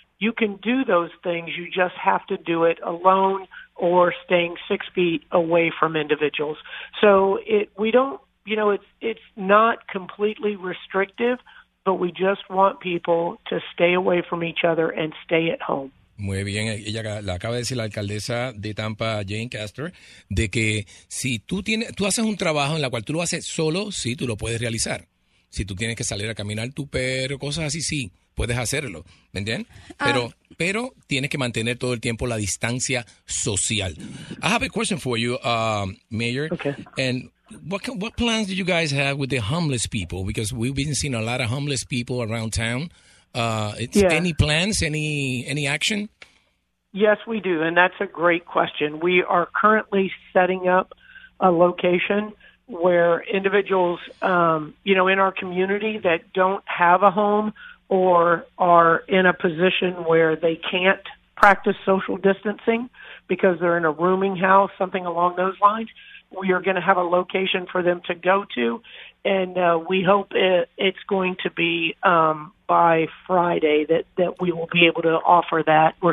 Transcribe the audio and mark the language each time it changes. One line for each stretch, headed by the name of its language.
English: You can do those things. You just have to do it alone or staying 6 feet away from individuals. So it's not completely restrictive, but we just want people to stay away from each other and stay at home.
Spanish: Muy bien, ella la acaba de decir la alcaldesa de Tampa, Jane Castor, de que si tú haces un trabajo en la cual tú lo haces solo, sí, tú lo puedes realizar. Si tú tienes que salir a caminar tu perro, cosas así, sí, puedes hacerlo, ¿me entiendes? Pero tienes que mantener todo el tiempo la distancia social.
English: I have a question for you, Mayor. Okay. And what plans do you guys have with the homeless people? Because we've been seeing a lot of homeless people around town. Any plans, any action? Yes, we do, and that's a great question. We are currently setting up a location where individuals, in our community that don't have a home or are in a position where they can't practice social distancing because they're in a rooming house, something along those lines, we are going to have a location for them to go to, and we hope it's going to be by Friday that we will be able to offer that.